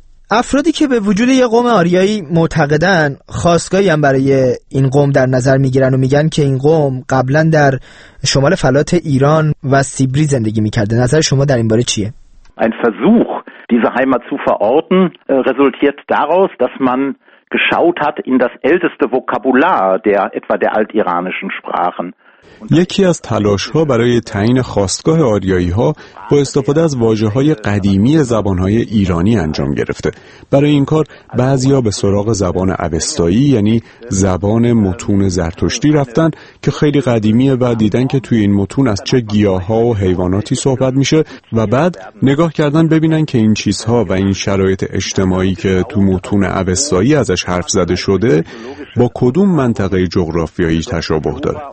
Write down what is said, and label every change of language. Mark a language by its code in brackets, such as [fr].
[fa] افرادی که به وجود یه قوم آریایی معتقدن، خواستگاهی هم برای این قوم در نظر میگیرن و میگن که این قوم قبلا در شمال فلات ایران و سیبری زندگی میکرده. نظر شما در این باره چیه؟ [de] ein versuch diese heimat zu verorten resultiert daraus dass man geschaut hat in das älteste vokabular der etwa der altiranischen sprachen. [fa] یکی از تلاش‌ها برای تعیین خواستگاه آریایی‌ها با استفاده از واژه‌های قدیمی زبان‌های ایرانی انجام گرفته. برای این کار بعضی‌ها به سراغ زبان اوستایی، یعنی زبان متون زرتشتی رفتن که خیلی قدیمیه و دیدن که توی این متون از چه گیاه‌ها و حیواناتی صحبت میشه و بعد نگاه کردن ببینن که این چیزها و این شرایط اجتماعی که تو متون اوستایی ازش حرف زده شده با کدوم منطقه جغرافیایی تشابه داره.